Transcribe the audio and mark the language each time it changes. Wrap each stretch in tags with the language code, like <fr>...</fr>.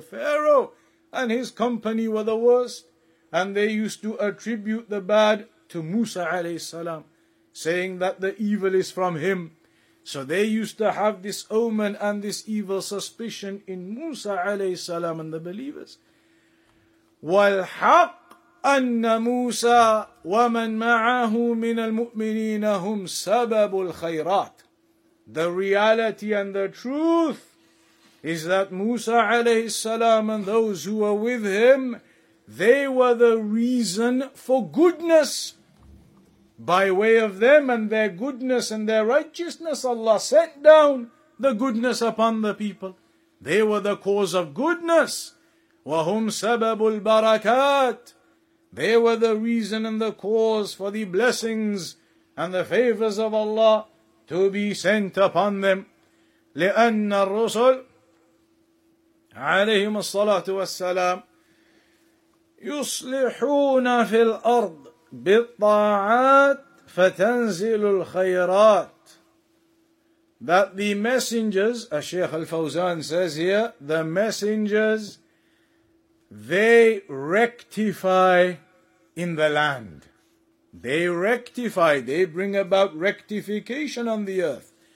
<en>Pharaoh and his company were the worst. And they used to attribute the bad to Musa alayhi salam, saying that the evil is from him. So they used to have this omen and this evil suspicion in Musa alayhi salam and the believers.</en> <ar>والحق أن موسى ومن معه من المؤمنين هم سبب الخيرات.</ar> <en>The reality and the truth is that Musa عليه السلام and those who were with him, they were the reason for goodness. By way of them and their goodness and their righteousness, Allah sent down the goodness upon the people. They were the cause of goodness.</en> <ar>وَهُمْ سَبَبُ الْبَرَكَاتِ</ar> <en>They were the reason and the cause for the blessings and the favors of Allah to be sent upon them.</en> <ar>لِأَنَّ الرُّسُلُ عَلَيْهِمَ الصَّلَاةُ وَالسَّلَامُ يُصْلِحُونَ فِي الْأَرْضِ بالطاعات فتنزل الخيرات.</ar> <en>That the messengers, as Shaykh Al-Fawzan says here, the messengers, they rectify in the land. They rectify, they bring about rectification on the earth.</en>